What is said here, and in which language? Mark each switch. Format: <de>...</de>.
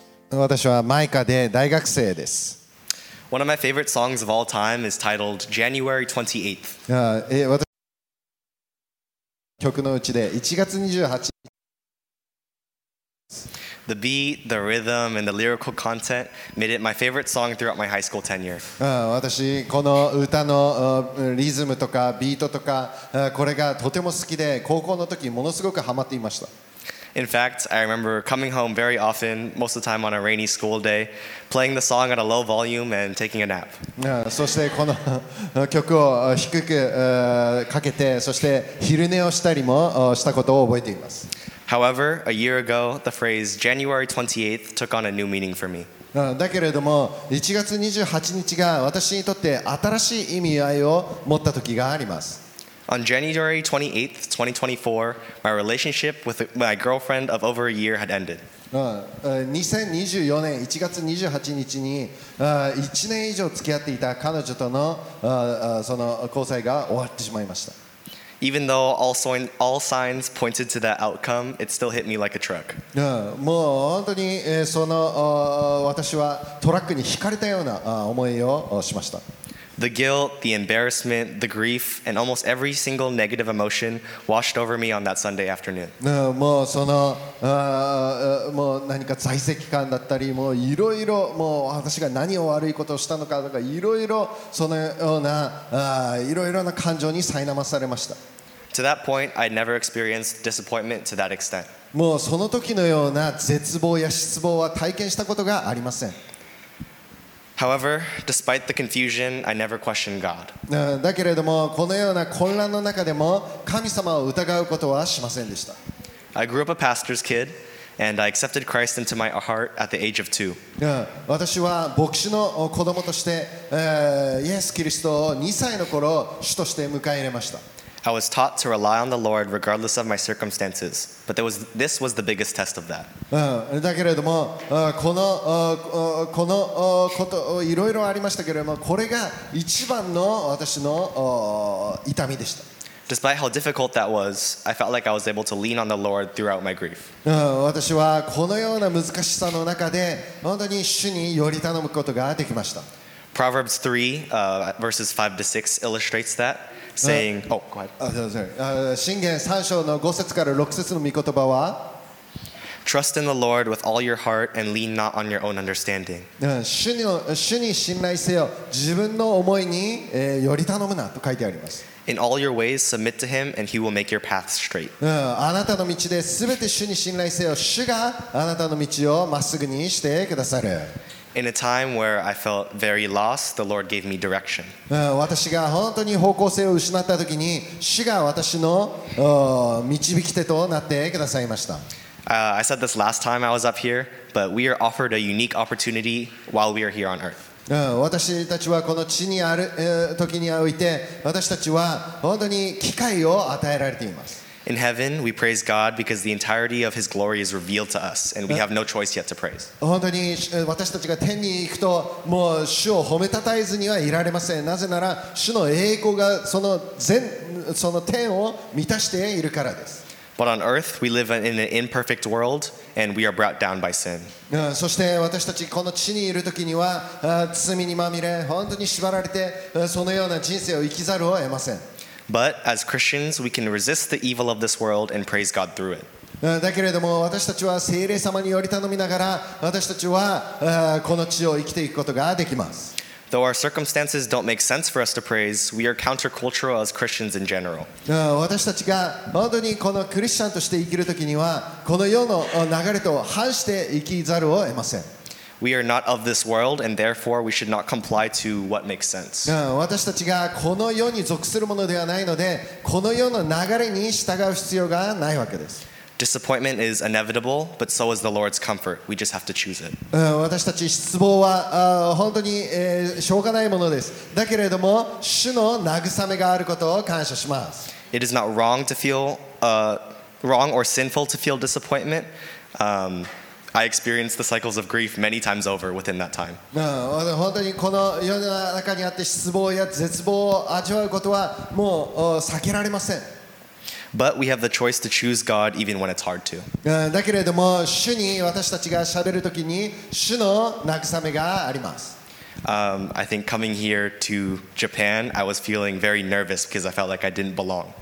<ja>私はマイカで大学生です。</ja> <en>One of my favorite songs of all time is titled January</en> <ja>28th. 曲のうちで1月28日。</ja> <en>The beat, the rhythm, and the lyrical content made it my favorite song throughout my high school tenure.</en> <ja>私この歌のリズムとかビートとかこれがとても好きで高校の時ものすごくハマっていました。</ja> <en>In fact, I remember coming home very often, most of the time on a rainy school day, playing the song at a low volume and taking a nap.</en> <ja>そしてこの曲を低くかけて、そして昼寝をしたりもしたことを覚えています。</ja> <en>However, a year ago, the phrase January 28th took on a new meaning for me.</en> <ja>だけれども、1月28日が私にとって新しい意味合いを持った時があります。</ja> <en>On January 28th, 2024, my relationship with my girlfriend of over a year had ended.</en> <ja>2024年1月28日に1年以上付き合っていた彼女とのその交際が終わってしまいました。</ja> <en>Even though all signs pointed to that outcome, it still hit me like a truck.</en> <ja>もう本当にその私はトラックに引かれたような思いをしました。</ja> <en>The guilt, the embarrassment, the grief, and almost every single negative emotion washed over me on that Sunday afternoon.</en> <ja>もうそのもう何か在籍感だったり、もういろいろもう私が何を悪いことをしたのかとか、いろいろそのようないろいろな感情に苛まされました。</ja> <en>To that point, I'd never experienced disappointment to that extent.</en> <ja>もうその時のような絶望や失望は体験したことがありません。</ja> <en>However, despite the confusion, I never questioned God.</en> <ja>だけれども、このような混乱の中でも神様を疑うことはしませんでした。</ja> <en>I grew up a pastor's kid, and I accepted Christ into my heart at the age of two.</en> <ja>私は牧師の子供として、イエス・キリストを2歳の頃、主として迎え入れました。</ja> <en>I was taught to rely on the Lord regardless of my circumstances, but this was the biggest test of that.</en> <ja>だけれども、このこといろいろありましたけれども、これが一番の私の痛みでした。</ja> <en>Despite how difficult that was, I felt like I was able to lean on the Lord throughout my grief.</en> <ja>私はこのような難しさの中で本当に主により頼むことができました。</ja> <en>Proverbs 3, verses 5 to 6 illustrates that. Saying, oh, go ahead.</en> <ja>箴言3章の5節から6節の御言葉は</ja> <en>Trust in the Lord with all your heart and lean not on your own understanding.</en> <ja>主に信頼せよ。自分の思いにより頼むなと書いてあります。</ja> <en>In all your ways, submit to him and he will make your path straight.</en> <ja>あなたの道で全て主に信頼せよ。主があなたの道をまっすぐにしてくださる。</ja> <en>In a time where I felt very lost, the Lord gave me direction.</en> <ja>私が本当に方向性を失った時に、主が私の導き手となってくださいました。</ja> <en>I said this last time I was up here, but we are offered a unique opportunity while we are here on earth.</en> <ja>私たちはこの地にある時において、私たちは本当に機会を与えられています。</ja> <en>In heaven, we praise God because the entirety of His glory is revealed to us, and we have no choice yet to praise.</en> <ja>本当に私たちが天に行くと、もう主を褒めたたえずにはいられません。なぜなら主の栄光がその全その天を満たしているからです。</ja> <en>But on earth, we live in an imperfect world, and we are brought down by sin.</en> <ja>そして私たちこの地にいる時には罪にまみれ、本当に縛られてそのような人生を生きざるを得ません。</ja> <en>But as Christians, we can resist the evil of this world and praise God through it.</en> <ja>だけれども私たちは聖霊様により頼みながら私たちはこの地を生きていくことができます。</ja> <en>Though our circumstances don't make sense for us to praise, we are countercultural as Christians in general.</en> <ja>私たちが本当にこのクリスチャンとして生きるときにはこの世の流れと反して生きざるを得ません。</ja> <en>We are not of this world, and therefore we should not comply to what makes sense.</en> <ja>私たちがこの世に属するものではないので、この世の流れに従う必要がないわけです。</ja> <en>Disappointment is inevitable, but so is the Lord's comfort. We just have to choose it.</en> <ja>私たち失望は本当にしょうがないものです。だけれども、主の慰めがあることを感謝します。</ja> <en>It is not wrong to feel wrong or sinful to feel disappointment. I experienced the cycles of grief many times over within that time.</en> <ja>本当にこの世の中にあって失望や絶望を味わうことはもう避けられません。</ja> <en>But we have the choice to choose God even when it's hard to.</en> <ja>だけれども、主に私たちが喋るときに主の慰めがあります。</ja> <en>I think coming here to Japan, I was feeling very nervous because I felt like I didn't belong.</en>